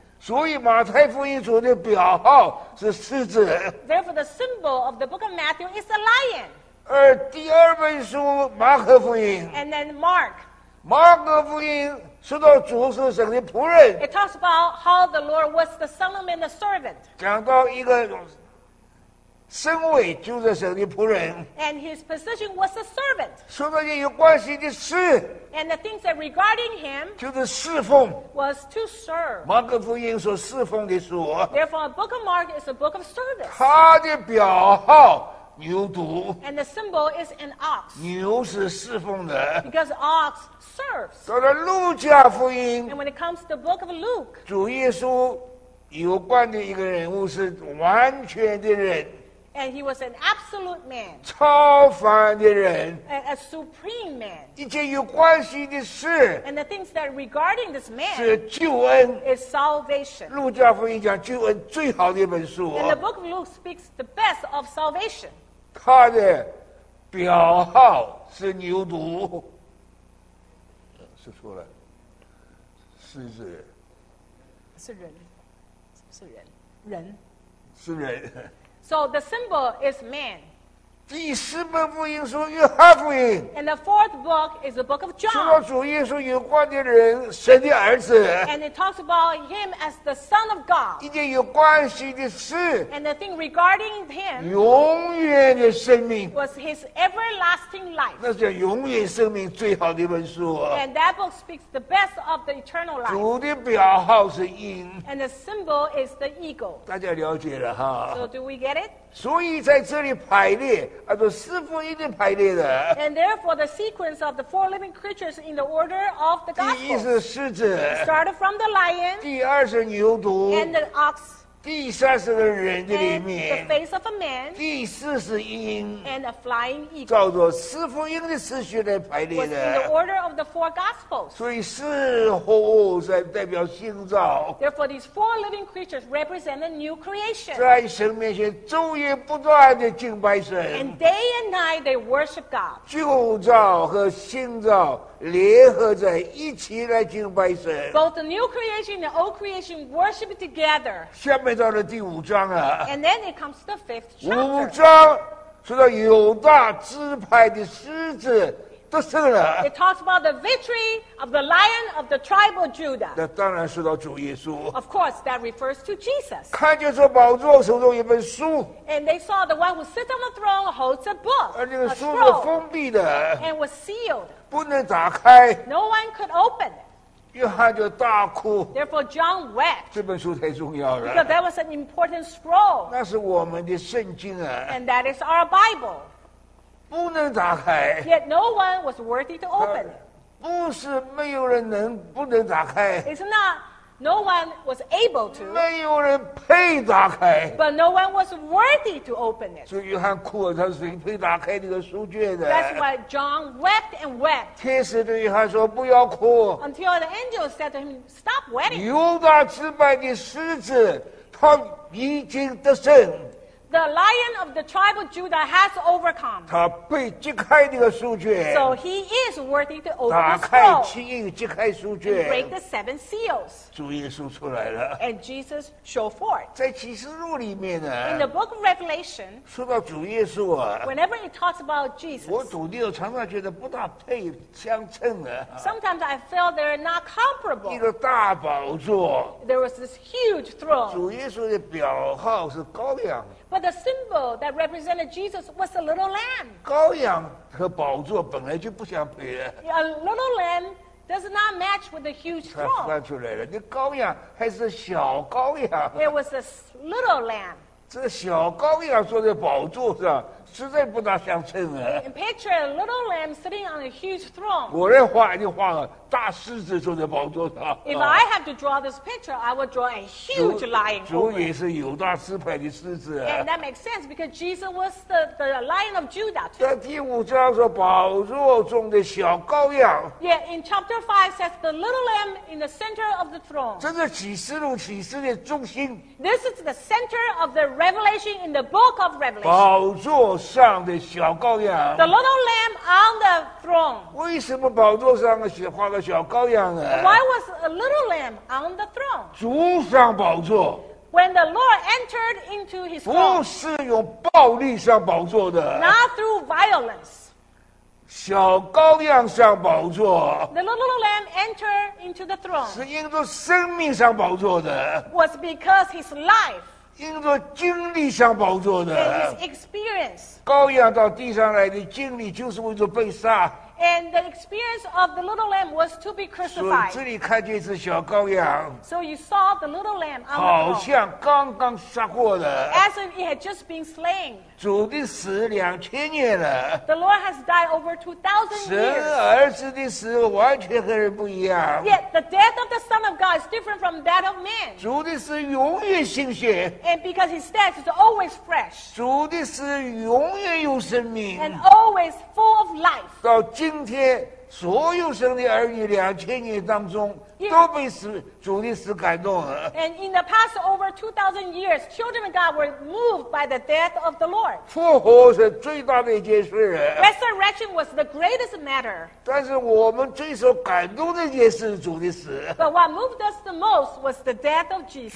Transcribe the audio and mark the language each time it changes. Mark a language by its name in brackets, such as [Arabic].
[Chinese] 所以马太福音主的表号是狮子 [English] Therefore the symbol of the book of Matthew is a lion [Chinese] 而第二本书马可福音 [English] and then Mark [Chinese] 马可福音说到主是神的仆人 [English] it talks about how the Lord was the son of man the servant [Chinese] 讲到一个身位就是神的仆人 [English] and his position was a servant [Chinese] 说到一个有关系的事 [English] and the things that regarding him [Chinese] 就是侍奉 [English] was to serve [Chinese] 马可福音所侍奉的书 [English] therefore a book of Mark is a book of service [Chinese] 他的表号牛犊 [English] and the symbol is an ox [Chinese] 牛是侍奉的 [English] because ox serves [Chinese] 到了路加福音 [English] and when it comes to the book of Luke [Chinese] 主耶稣有关的一个人物是完全的人 [English] and he was an absolute man [Chinese] 超凡的人 [English] a supreme man [Chinese] 一件有关系的事 [English] and the things that regarding this man [Chinese] 是救恩 [English] is salvation [Chinese] 路加福音讲救恩最好的一本书 [English] and the book of Luke speaks the best of salvation [Chinese] 他的表号是牛犊，说错了，狮子。是人，是人，人。是人。 [English] So the symbol is man. [Chinese] 第四本福音书约翰福音。 [English] And the fourth book is the book of John. [Chinese] 说到主耶稣有关的人，神的儿子。 [English] And it talks about him as the Son of God. [Chinese] 一件有关系的事。 [English] And the thing regarding him. [Chinese] 永远的生命。 [English] Was his everlasting life. [Chinese] 那叫永远生命最好的一本书。 [English] And that book speaks the best of the eternal life. [Chinese] 主的表号是鹰。 [English] And the symbol is the eagle. [Chinese] 大家了解了哈。 [English] So do we get it? [Chinese] 所以在这里排列按照四福音的排列的 [English] and therefore the sequence of the four living creatures in the order of the gospel [Chinese] 第一是狮子 [English] started from the lion [Chinese] 第二是牛犊 [English] and the ox [Chinese] 第三是个人的里面 [English] and the face of a man [Chinese] 第四是鹰 [English] and a flying eagle [Chinese] 照着四福音的次序来排列的 [English] was in the order of the four gospels [Chinese] 所以四活物在代表新造 [English] therefore these four living creatures represent a new creation [Chinese] 在神面前昼夜不断地敬拜神 [English] and day and night they worship God [Chinese] 旧造和新造联合在一起来敬拜神。 [English] Both the new creation and the old creation worship together. [Chinese] 下面到了第五章啊。 [English] And then it comes to the fifth chapter. [Chinese] 五章说到犹大支派的狮子得胜了。 [English] It talks about the victory of the lion of the tribe of Judah. [Chinese] 那当然说到主耶稣。 [English] Of course, that refers to Jesus. [Chinese] 看见说宝座手中一本书。 [English] And they saw the one who sits on the throne holds a book. [Chinese] 而这个书是封闭的。 [English] And was sealed. [Chinese] 不能打开。 [English] No one could open it. [Chinese] 约翰就大哭。 [English] Therefore, John wept. [Chinese] 这本书太重要了。 [English] Because that was an important scroll. [Chinese] 那是我们的圣经啊。 [English] And that is our Bible. [Chinese] 不能打开。 [English] Yet no one was worthy to open it. [Chinese] 不是没有人能不能打开。 [English] It's not no one was able to. [Chinese] 没有人配打开。 [English] But no one was worthy to open it. [Chinese] 所以约翰哭了，他是谁配打开这个书卷的。 [English] That's why John wept and wept. [Chinese] 天使对约翰说不要哭。 [English] Until the angel said to him, stop wetting. [Chinese] 犹大支派的狮子他已经得胜。 [English] The lion of the tribe of Judah has overcome. [Chinese] 他被揭开这个书卷。 [English] So he is worthy to open the scroll. [Chinese] 打开七印，揭开书卷。 [English] Break the seven seals. [Chinese] 主耶稣出来了。 [English] And Jesus showed forth. [Chinese] 在启示录里面呢。 [English] In the book of Revelation. [Chinese] 说到主耶稣啊。 [English] Whenever it talks about Jesus. [Chinese] 我读的常常觉得不大配相称的。 [English] Sometimes I feel they're not comparable. [Chinese] 一个大宝座。 [English] There was this huge throne. [Chinese] 主耶稣的表号是羔羊。 [English] But the symbol that represented Jesus was a little lamb. [Chinese] 羔羊和宝座本来就不相配。 [English] A little lamb does not match with a huge throne. [Chinese] 它翻出来了，那羔羊还是小羔羊。 [English] It was a little lamb. [Chinese] 这小羔羊坐在宝座上，实在不大相称啊。 [English] And picture a little lamb sitting on a huge throne. [Chinese] 我来画一画，大狮子坐在宝座上。 [English] If I have to draw this picture, I would draw a huge lion. [Chinese] 主也是犹大支派的狮子。 [English] And that makes sense because Jesus was the lion of Judah too. [Chinese] 在第五章说宝座中的小羔羊。 [English] Yeah, in chapter 5 says the little lamb in the center of the throne. [Chinese] 这是启示录启示的中心。 [English] This is the center of the revelation in the book of Revelation. [Chinese] 宝座上的小羔羊。 [English] The little lamb on the throne. [Chinese] 为什么宝座上的雪花个小羔羊啊。 [English] Why was a little lamb on the throne? [Chinese] 主上宝座。 [English] When the Lord entered into his throne. [Chinese] 不是用暴力上宝座的。 [English] Not through violence. [Chinese] 小羔羊上宝座。 [English] The little lamb entered into the throne. [Chinese] 是因着生命上宝座的。 [English] Was because his life. [Chinese] 因着经历上宝座的。 [English] His experience. [Chinese] 羔羊到地上来的经历就是为了被杀。 [English] And the experience of the little lamb was to be crucified. [Chinese] 这里看见一只小羔羊。 [English] So you saw the little lamb on the throne. [Chinese] 好像刚刚杀过的。 [English] As if it had just been slain. [Chinese] 主的死两千年了。 [English] The Lord has died over 2,000 years. [Chinese] 神儿子的死完全和人不一样。 [English] Yet the death of the Son of God is different from that of man. [Chinese] 主的死永远新鲜。 [English] And because his death is always fresh. [Chinese] 主的死永远有生命。 [English] And always full of life. [Chinese] 到今天所有神的儿女两千年当中都被主的死感动了。 [English] And in the past over 2,000 years, children of God were moved by the death of the Lord. [Chinese] 复活是最大的一件事。 [English] Resurrection was the greatest matter. [Chinese] 但是我们最受感动的一件事是主的死。 [English] But what moved us the most was the death of Jesus.